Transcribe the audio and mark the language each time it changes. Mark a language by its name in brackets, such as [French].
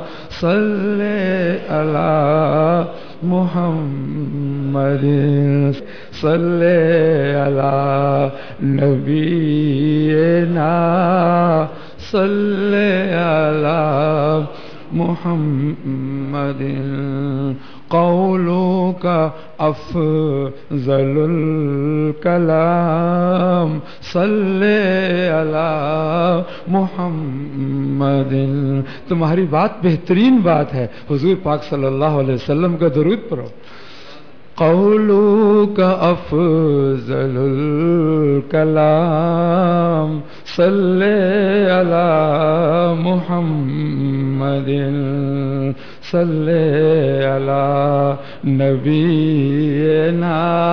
[Arabic] صل على محمد صل على نبينا صل على محمد قولك أفضل الكلام صل على محمد. [Urdu] تمہاری بات بہترین بات ہے. حضور پاک صلی اللہ علیہ وسلم کا درود پڑھو. [Arabic] قولك أفضل الكلام صل على محمد صل على نبينا